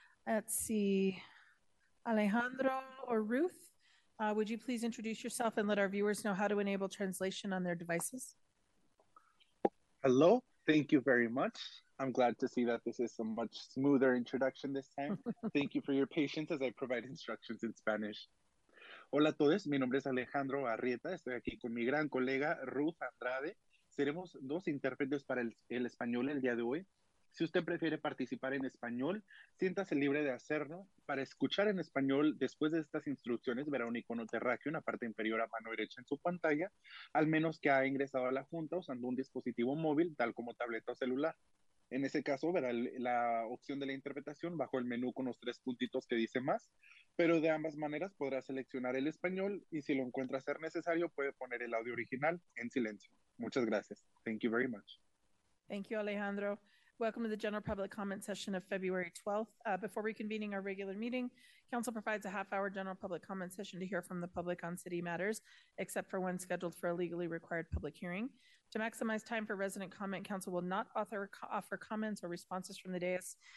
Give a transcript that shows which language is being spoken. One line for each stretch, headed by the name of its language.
English: Let's see, Alejandro or Ruth, would you please introduce yourself and let our viewers know how to enable translation on their devices? Hello, thank you very much. I'm glad to see that this is a much smoother introduction this time. Thank you for your patience as I provide instructions in Spanish.
Spanish: Hola a todos, mi nombre es Alejandro Arrieta. Estoy aquí con mi gran colega Ruth Andrade. Seremos dos intérpretes para el español el día de hoy. Si usted prefiere participar en español, siéntase libre de hacerlo. Para escuchar en español, después de estas instrucciones, verá un icono terráqueo en la parte inferior a mano derecha en su pantalla, al menos que ha ingresado a la junta usando un dispositivo móvil, tal como tableta o celular. En ese caso, verá la opción de la interpretación bajo el menú con los tres puntitos que dice más, pero de ambas maneras podrá seleccionar el español y si lo encuentra ser necesario, puede poner el audio original en silencio. Muchas gracias.
English: Thank you very much. Thank you, Alejandro. Welcome to the general public comment session of February 12th. Before reconvening our regular meeting, Council provides a half-hour general public comment session to hear from the public on city matters, except for when scheduled for a legally required public hearing. To maximize time for resident comment, Council will not offer comments or responses from the dais.